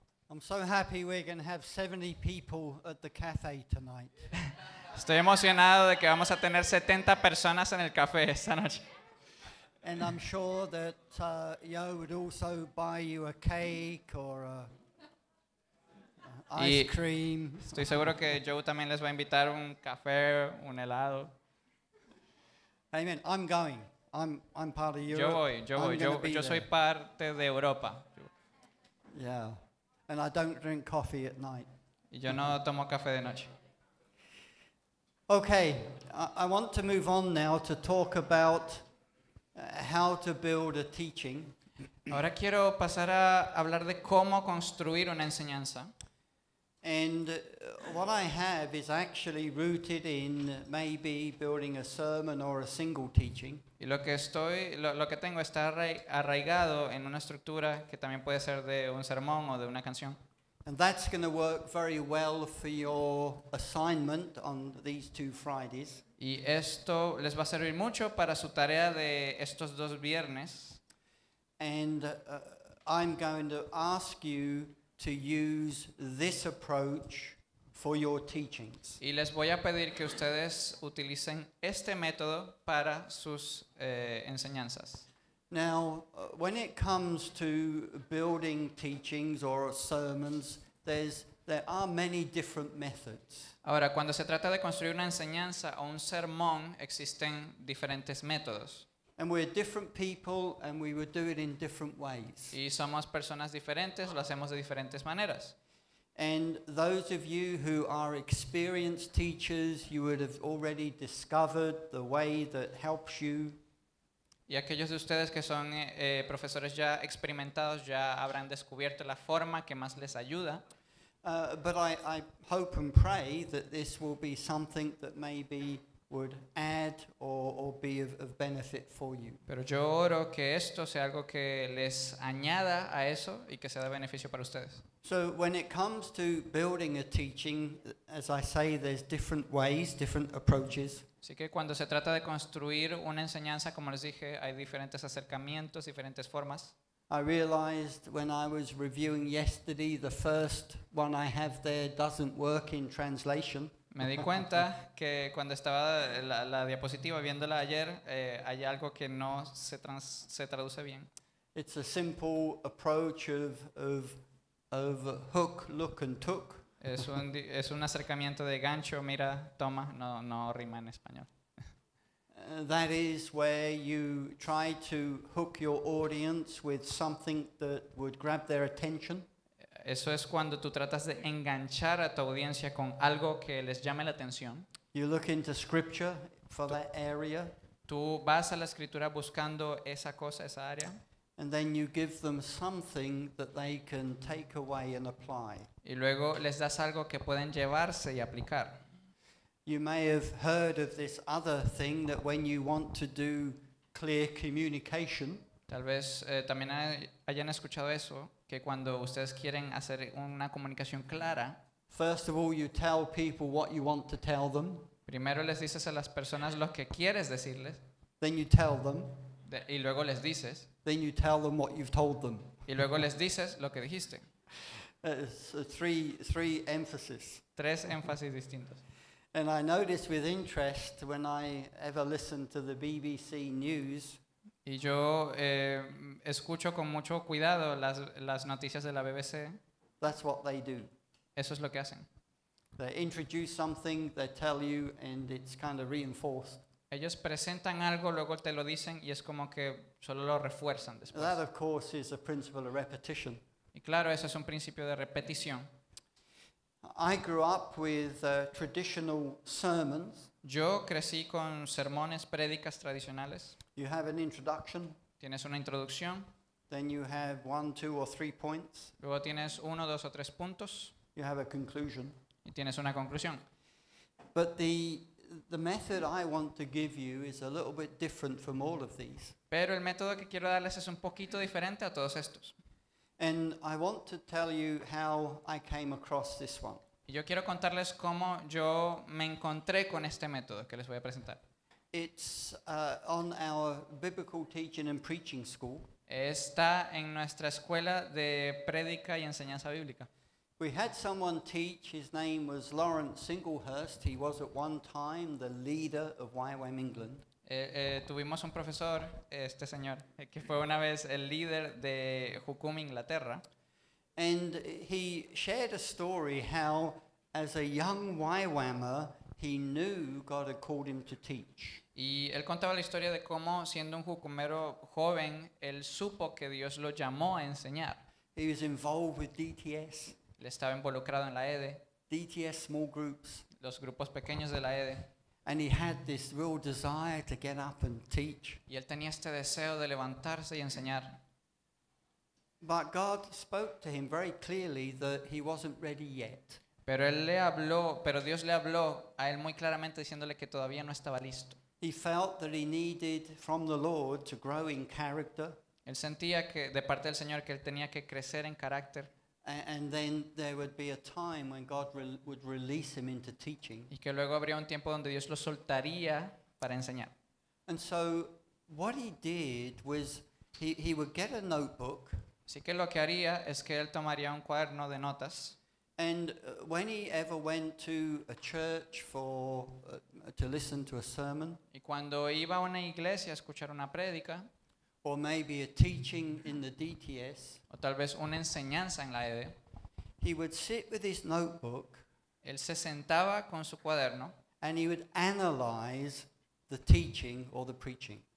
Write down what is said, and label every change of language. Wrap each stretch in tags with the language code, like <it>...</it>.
<en>I'm so happy we're going to have 70 people at the cafe tonight.</en> <es>Estoy emocionado de que vamos a tener 70 personas en el café esta noche.</es> <en>And I'm sure that Yo would also buy you a cake or a ice cream.</en> <es>Estoy seguro que Joe también les va a invitar un café, un helado.</es> <en>Amen. I'm going. I'm part of Europe.</en> <es>Yo voy. Yo voy. Yo soy parte de Europa.</es> <en>Yeah. And I don't drink coffee at night.</en> <es>Y yo no tomo café de noche.</es> <en>Okay. I want to move on now to talk about how to build a teaching.</en> <es>Ahora quiero pasar a hablar de cómo construir una enseñanza.</es> <en>And what I have is actually rooted in maybe building a sermon or a single teaching.</en> <es>Y lo que tengo está arraigado en una estructura que también puede ser de un sermón o de una canción.</es> <en>And that's going to work very well for your assignment on these two Fridays.</en> <es>Y esto les va a servir mucho para su tarea de estos dos viernes.</es> <en>And I'm going to ask you to use this approach for your teachings.</en> <es>Y les voy a pedir que ustedes utilicen este método para sus enseñanzas.</es> <en>Now, when it comes to building teachings or sermons, there are many different methods.</en> <es>Ahora, cuando se trata de construir una enseñanza o un sermón, existen diferentes métodos.</es> <en>And we're different people, and we would do it in different ways.</en> <es>Y somos personas diferentes, lo hacemos de diferentes maneras.</es> <en>And those of you who are experienced teachers, you would have already discovered the way that helps you.</en> <es>Y aquellos de ustedes que son profesores ya experimentados ya habrán descubierto la forma que más les ayuda.</es> <en>But I hope and pray that this will be something that maybe would add or be of benefit for you.</en> <es>Pero yo oro que esto sea algo que les añada a eso y que sea de beneficio para ustedes.</es> <en>So when it comes to building a teaching, as I say, there's different ways, different approaches.</en> <es>Así que cuando se trata de construir una enseñanza, como les dije, hay diferentes acercamientos, diferentes formas.</es> <en>I realized when I was reviewing yesterday, the first one I have there doesn't work in translation.</en> <es>Me di cuenta que cuando estaba la diapositiva viéndola ayer, hay algo que no se traduce bien.</es> <en>It's a simple approach of hook, look and took.</en> <es>Es un acercamiento de gancho, mira, toma, no rima en español.</es> <en>That is where you try to hook your audience with something that would grab their attention.</en> <es>Eso es cuando tú tratas de enganchar a tu audiencia con algo que les llame la atención.</es> <en>You look into scripture for that area.</en> <es>Tú vas a la escritura buscando esa cosa, esa área.</es> <en>And then you give them something that they can take away and apply.</en> <es>Y luego les das algo que pueden llevarse y aplicar.</es> <en>You may have heard of this other thing that when you want to do clear communication.</en> <es>Tal vez también hayan escuchado eso, que cuando ustedes quieren hacer una comunicación clara.</es> <en>First of all, you tell people what you want to tell them.</en> <es>Primero les dices a las personas lo que quieres decirles.</es> <en>Then you tell them.</en> <es>Y luego les dices.</es> <en>Then you tell them what you've told them.</en> <es>Y luego les dices lo que dijiste.</es> <en>Three emphasis.</en> <es>Tres énfasis distintos.</es> <en>And I noticed with interest when I ever listened to the BBC news.</en> <es>Y yo escucho con mucho cuidado las noticias de la BBC.</es> <en>That's what they do.</en> <es>Eso es lo que hacen.</es> <en>They introduce something, they tell you, and it's kind of reinforced.</en> <es>Ellos presentan algo, luego te lo dicen, y es como que solo lo refuerzan después.</es> <en>That, of course, is a principle of repetition.</en> <es>Y claro, eso es un principio de repetición.</es> <en>I grew up with traditional sermons.</en> <es>Yo crecí con sermones, prédicas tradicionales.</es> <en>You have an introduction.</en> <es>Tienes una introducción.</es> <en>Then you have one, two, or three points.</en> <es>Luego tienes uno, dos o tres puntos.</es> <en>You have a conclusion.</en> <es>Y tienes una conclusión.</es> <en>But the method I want to give you is a little bit different from all of these.</en> <es>Pero el método que quiero darles es un poquito diferente a todos estos.</es> <en>And I want to tell you how I came across this one.</en> <es>Yo quiero contarles cómo yo me encontré con este método que les voy a presentar.</es> <en>It's on our biblical teaching and preaching school.</en> <es>Está en nuestra escuela de prédica y enseñanza bíblica.</es> <en>We had someone teach, his name was Lawrence Singlehurst, he was at one time the leader of YWAM England.</en> <es>Tuvimos un profesor, este señor, que fue una vez el líder de Jukum, Inglaterra.</es> <en>And he shared a story how, as a young YWAMer, he knew God had called him to teach.</en> <es>Y él contaba la historia de cómo, siendo un jucumero joven, él supo que Dios lo llamó a enseñar.</es> <en>He was involved with DTS.</en> <es>Él estaba involucrado en la EDE.</es> <en>DTS small groups.</en> <es>Los grupos pequeños de la EDE.</es> <en>And he had this real desire to get up and teach.</en> <es>Y él tenía este deseo de levantarse y enseñar.</es> <en>But God spoke to him very clearly that he wasn't ready yet.</en> <es>Pero él le habló, pero Dios le habló a él muy claramente diciéndole que todavía no estaba listo.</es> <en>He felt that he needed from the Lord to grow in character.</en> <es>Él sentía que de parte del Señor que él tenía que crecer en carácter.</es> <en>And then there would be a time when God would release him into teaching.</en> <es>Y que luego habría un tiempo donde Dios lo soltaría para enseñar.</es> <en>And so what he did was he would get a notebook.</en> <es>Así que lo que haría es que él tomaría un cuaderno de notas.</es> <en>And when he ever went to a church for to listen to a sermon.</en> <es>Y cuando iba a una iglesia a escuchar una prédica.</es> <en>Or maybe a teaching in the DTS.</en> <es>O tal vez una enseñanza en la EDE.</es> <en>He would sit with his notebook.</en> <es>Él se sentaba con su cuaderno.</es> <en>And he would analyze the teaching or the preaching.</en>